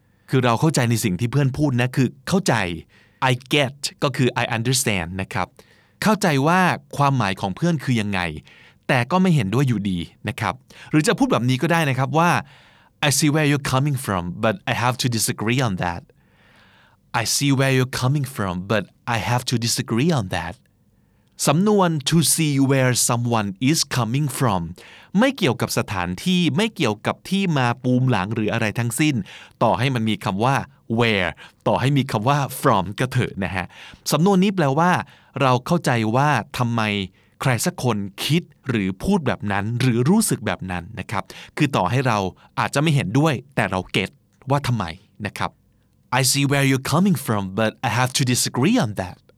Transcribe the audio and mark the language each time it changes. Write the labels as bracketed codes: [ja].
[th] คือเราเข้าใจในสิ่งที่เพื่อนพูดนะคือเข้าใจ [en] I get [th] ก็คือ [en] I understand [th] นะครับเข้าใจว่าความหมายของเพื่อนคือยังไงแต่ก็ไม่เห็นด้วยอยู่ดีนะครับหรือจะพูดแบบนี้ก็ได้นะครับว่า [en] I see where you're coming from, but I have to disagree on that. I see where you're coming from, but I have to disagree on that. [th] สำนวน [en] to see where someone is coming from [th] ไม่เกี่ยวกับสถานที่ไม่เกี่ยวกับที่มาปูมหลังหรืออะไรทั้งสิ้นต่อให้มันมีคำว่า where ต่อให้มีคำว่า from ก็เถอะนะฮะสำนวนนี้แปลว่าเราเข้าใจว่าทำไมใครสักคนคิดหรือพูดแบบนั้นหรือรู้สึกแบบนั้นนะครับคือต่อให้เราอาจจะไม่เห็นด้วยแต่เราเก็ทว่าทำไมนะครับ [en] I see where you're coming from but I have to disagree on that